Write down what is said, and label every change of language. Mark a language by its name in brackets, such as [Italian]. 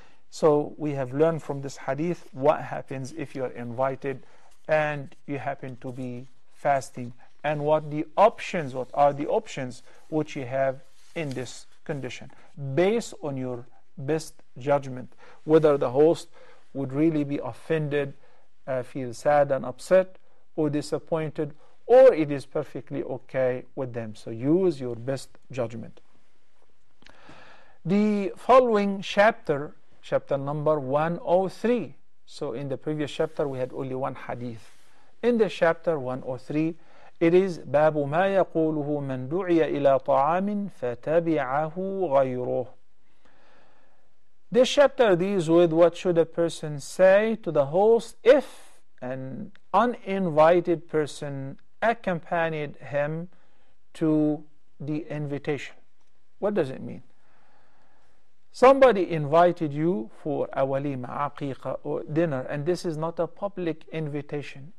[English] So we have learned from this hadith what happens if you are invited and you happen to be fasting, and what are the options which you have in this condition, based on your best judgment, whether the host would really be offended, feel sad and upset or disappointed, or it is perfectly okay with them. So use your best judgment. The following chapter number 103. So in the previous chapter we had only one hadith. In the chapter 103, it is [Arabic] باب ما يقوله من دعي إلى طعام فتبعه غيره. [English] This chapter deals with what should a person say to the host if an uninvited person accompanied him to the invitation. What does it mean? Somebody invited you for a walima, aqiqa, or dinner, and this is not a public invitation.